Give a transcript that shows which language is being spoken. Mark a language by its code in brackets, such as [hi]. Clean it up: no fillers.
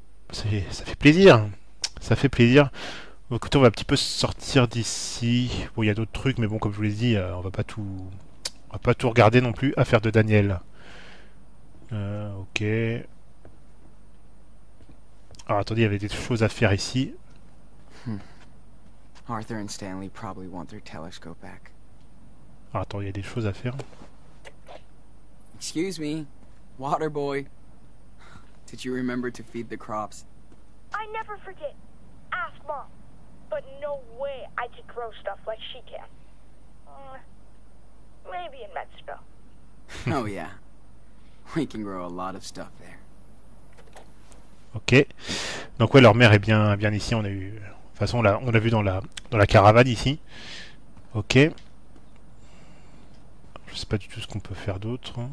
[fr] Ça fait plaisir. Ça fait plaisir. Écoutez, on va un petit peu sortir d'ici. Bon, il y a d'autres trucs, mais bon, comme je vous l'ai dit, on va pas tout regarder non plus. Affaire de Daniel. Ok. Alors, attendez, il y avait des choses à faire ici. [en] Arthur and Stanley probably want their telescope back. [fr] Alors, attends, il y a des choses à faire. [en] Excuse me, water boy. Did you remember to feed the crops? I never forget. Ask mom. But no way I could grow stuff like she can. Maybe in Mexico. Oh yeah. We can grow a lot of stuff there. [fr] Ok. Donc ouais, leur mère est bien ici. On a eu. De toute façon, on l'a vu dans la caravane ici. Ok. Je sais pas du tout ce qu'on peut faire d'autre.